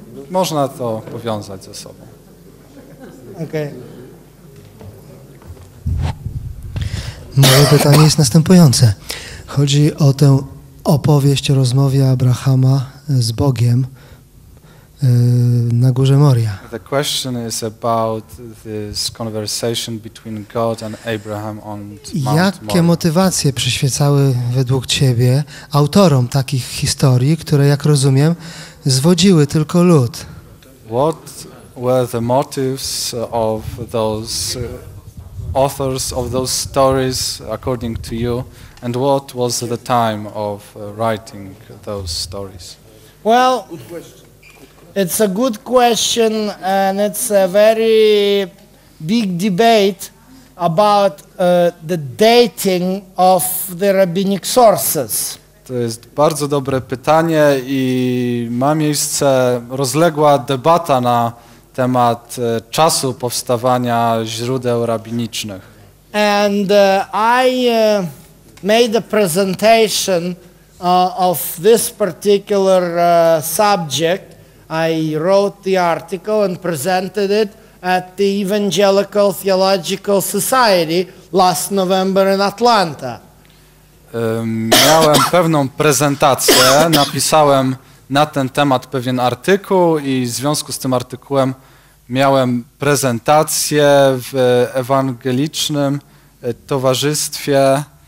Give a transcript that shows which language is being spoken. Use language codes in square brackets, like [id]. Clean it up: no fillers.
[pl] Można to powiązać ze sobą. Okay. Moje pytanie jest następujące. Chodzi o tę opowieść o rozmowie Abrahama z Bogiem na górze Moria. [en] The question is about this conversation between God and Abraham on Mount Moria. [pl] Jakie motywacje przyświecały według ciebie autorom takich historii, które, jak rozumiem, zwodziły tylko lud? [en] What were the motives of those authors of those stories according to you, and what was the time of writing those stories? Well, it's a good question, and it's a very big debate about the dating of the rabbinic sources. [pl] To jest bardzo dobre pytanie i ma miejsce rozległa debata na temat czasu powstawania źródeł rabinicznych. [en] And I made a presentation of this particular subject. I wrote the article and presented it at the Evangelical Theological Society last November in Atlanta. [pl] Miałem pewną prezentację, napisałem na ten temat pewien artykuł i w związku z tym artykułem miałem prezentację w ewangelicznym towarzystwie